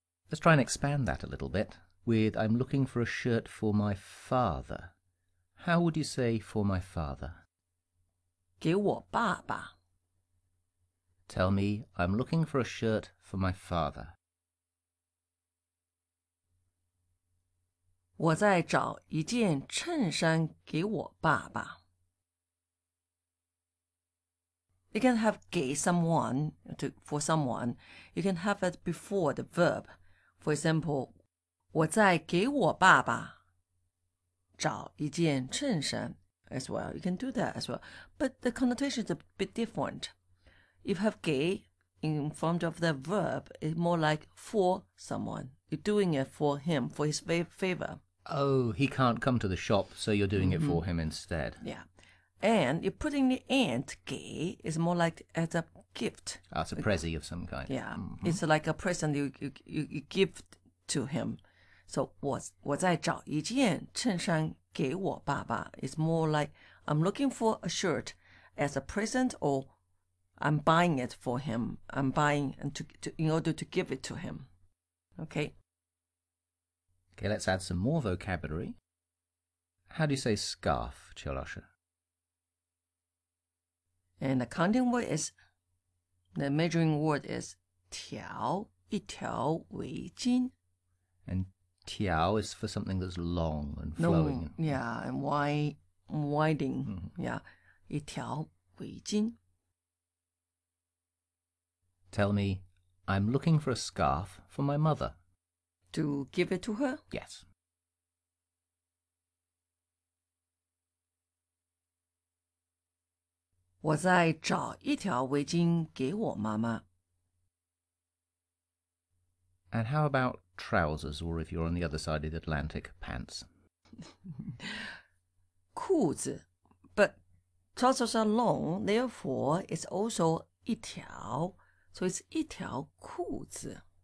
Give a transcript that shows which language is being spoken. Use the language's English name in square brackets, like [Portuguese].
[English] Let's try and expand that a little bit with I'm looking for a shirt for my father. How would you say for my father? [Chinese] 给我爸爸。 [English] Tell me, I'm looking for a shirt for my father. [Chinese] 我在找一件衬衫给我爸爸。 [English] You can have 给 someone, for someone. You can have it before the verb. For example, [Chinese] 我在给我爸爸找一件衬衫 [English] as well. You can do that as well. But the connotation is a bit different. If you have 给 in front of the verb, it's more like for someone. You're doing it for him, for his favor. Oh, he can't come to the shop, so you're doing it for him instead. Yeah. And you're putting the and 给 is more like as a... Gift. Ah, it's a prezi of some kind. Yeah,It's like a present you give to him. So, [Chinese] 我在找一件衬衫给我爸爸. [English] It's more like, I'm looking for a shirt as a present or I'm buying it for him. I'm buying and in order to give it to him. Okay. Okay, let's add some more vocabulary. How do you say scarf, Chiolosha? And the counting word is... The measuring word is 条, [Chinese] 一条围巾. [English] And 条 is for something that's long and flowing. No, yeah, and winding. Yeah, [Chinese] 一条围巾. [English] Tell me, I'm looking for a scarf for my mother. To give it to her? Yes. [Chinese] 我在找一条围巾给我妈妈。 [English] And how about trousers, or if you're on the other side of the Atlantic, pants? [Chinese] 裤子, [English] but trousers are long, therefore it's also 一条, so it's [Chinese] 一条裤子.